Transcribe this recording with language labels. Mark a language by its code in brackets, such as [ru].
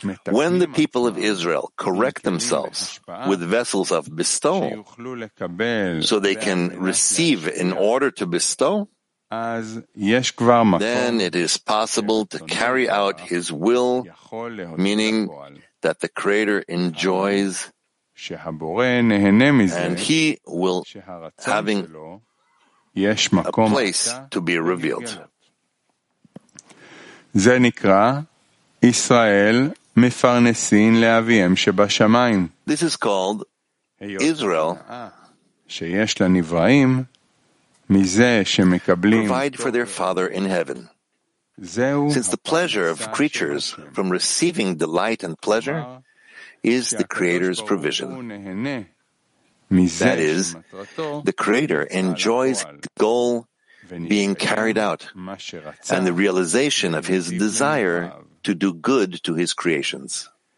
[en] When the people of Israel correct themselves with vessels of bestow, so they can receive in order to bestow, then it is possible to carry out His will, meaning that the Creator enjoys, and He will having a place to be revealed. [he] זה נקרא ישראל מפרנסין לאביהם שבשמיים. [en] This is called Israel, [he] שיש לנבראים מזה שמקבלים. [en] Provide for their father in heaven. Since the pleasure of creatures from receiving delight and pleasure is the Creator's provision. That is, the Creator enjoys the goal being carried out and the realization of His desire to do good to His creations.